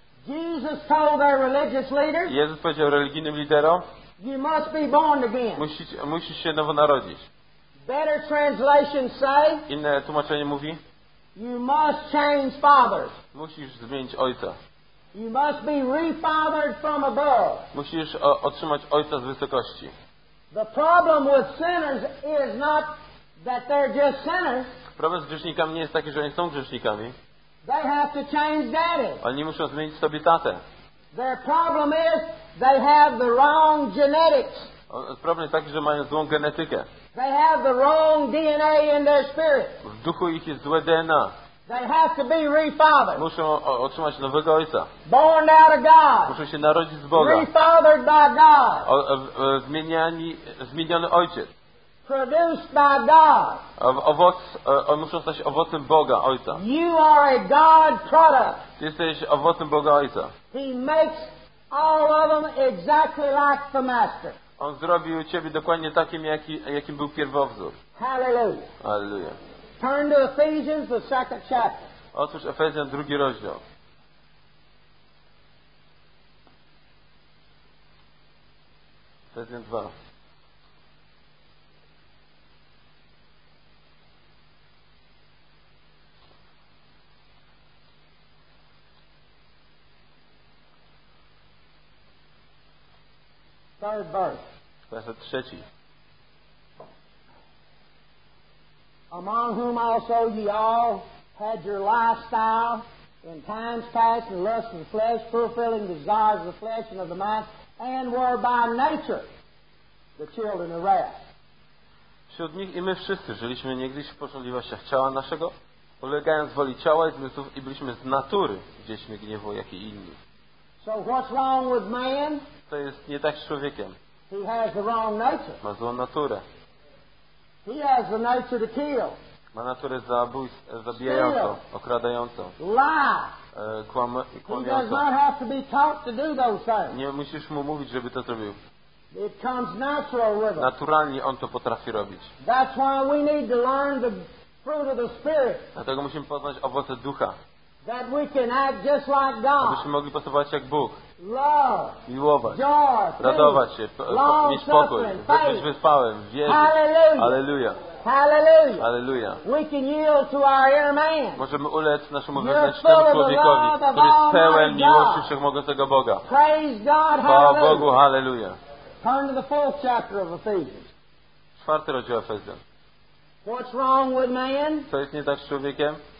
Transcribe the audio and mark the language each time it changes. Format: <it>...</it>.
<en>Jesus told their religious leaders.</en> <pl>Jezus powiedział religijnym liderom.</pl> <en>You must be born again.</en> <pl>Musisz się nowo narodzić.</pl> <en>Better translation say.</en> <pl>Inne tłumaczenie mówi.</pl> <en>You must change fathers.</en> <pl>Musisz zmienić ojca.</pl> <en>You must be refathered from above.</en> <pl>Musisz otrzymać ojca z wysokości.</pl> <en>The problem with sinners is not that they're just sinners.</en> <pl>Problem z grzesznikami nie jest taki, że oni są grzesznikami.</pl> <en>They have to change daddy.</en> <pl>Oni muszą zmienić sobie tatę.</pl> <en>Their problem is they have the wrong genetics.</en> <pl>Problem jest taki, że mają złą genetykę.</pl> <en>They have the wrong DNA in their spirit.</en> <pl>W duchu ich jest złe DNA.</pl> <en>They have to be refathered.</en> <pl>Muszą otrzymać nowego ojca.</pl> <en>Born out of God.</en> <pl>Muszą się narodzić z Boga.</pl> <en>Refathered by God.</en> <pl>Zmieniony ojciec.</pl> <en>Produced by God.</en> <pl>Muszą stać owocem Boga Ojca.</pl> <en>You are a God product.</en> <pl>Ty jesteś owocem Boga Ojca.</pl> <en>He makes all of them exactly like the Master.</en> <pl>On zrobił ciebie dokładnie takim, jakim był pierwowzór.</pl> <en>Hallelujah.</en> <pl>Hallelujah.</pl> <en>Turn to Ephesians, the second chapter.</en> <pl>Otwórz Efezjan, drugi rozdział. Efezjan 2.</pl> <en>Verse 3. Among whom also ye all had your lifestyle in times past in lust of the flesh, fulfilling desires of the flesh and of the mind, and were by nature the children of wrath.</en> <pl>Wśród nich i my wszyscy żyliśmy niegdyś w porządliwościach ciała naszego, ulegając woli ciała i zmysłów, i byliśmy z natury dziećmi gniewu, jak i inni.</pl> <en>So what's wrong with man?</en> <pl>To jest nie tak z człowiekiem.</pl> <en>He has the wrong nature.</en> <pl>Ma złą naturę.</pl> <en>He has the nature to kill.</en> <pl>Ma naturę zabijającą,</pl> <en>steal,</en> <pl>okradającą.</pl> <en>Lie.</en> <pl>Kłamiącą.</pl> <en>He does not have to be taught to do those things.</en> <pl>Nie musisz mu mówić, żeby to zrobił.</pl> <en>It comes natural with him.</en> <pl>Naturalnie on to potrafi robić.</pl> <en>That's why we need to learn the fruit of the Spirit.</en> <pl>Dlatego musimy poznać owoce ducha.</pl> <en>That we can act just like God.</en> <pl>Abyśmy mogli postępować jak Bóg.</pl> <en>Love.</en> <pl>Miłować.</pl> <en>Joy.</en> <pl>Radować się. Mieć pokój. Być wyspałym. Wierzyć.</pl> <en>Hallelujah.</en> <pl>Hallelujah.</pl> <en>Hallelujah.</en> <pl>Hallelujah.</pl> <en>We can yield to our inner man.</en> <pl>Możemy ulec naszemu wewnętrznemu człowiekowi, który jest pełen miłości wszechmogącego Boga.</pl> <en>Praise God.</en> <pl>Chwała Bogu. Hallelujah.</pl> <en>Turn to the fourth chapter of Ephesians.</en> <pl>Czwarty rozdział Efezjan.</pl> <en>What's wrong with man?</en> <pl>Co jest nie tak z człowiekiem?</pl>